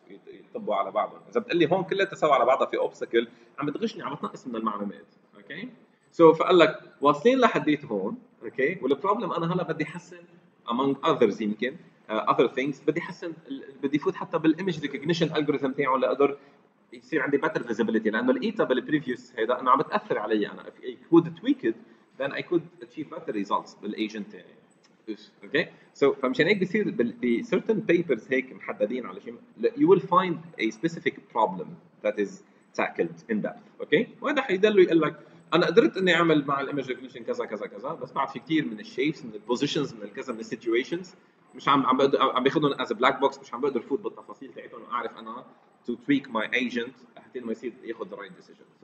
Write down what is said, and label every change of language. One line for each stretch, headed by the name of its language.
Arabic: يطبوا على بعضهم اذا بتقلي هون كلها تساوي على بعضها في اوبسكل عم تغشني عم تنقص من المعلومات اوكي سو فقال لك واصلين لحديت هون اوكي والبروبلم انا هلا بدي احسن among others يمكن other things بدي احسن بدي فوت حتى بالايمج ريكوجنيشن الجوريثم تاعه لاقدر يصير عندي better visibility لانه لقيتها بالبريفيوس هيدا انه عم تاثر علي انا if I could tweak it then I could achieve better results بالايجنت تاعي Okay, so from Shane, we see the certain papers here, محددين على شيء.
English: You will find a specific problem that is tackled in depth.
Arabic: Okay, وهذا حيدل ويقول لك أنا قدرت إني أعمل مع الإيمج ريكوجنيشن كذا كذا كذا. بس بعد في كتير من الشيبس من البوزيشنز من الكذا من السيتيوشنز مش عم بيخدون as a black box مش عم بقدر فوت بالتفاصيل تاعتهم وأعرف أنا to tweak my agent حتى ما يصير ياخد the right decision.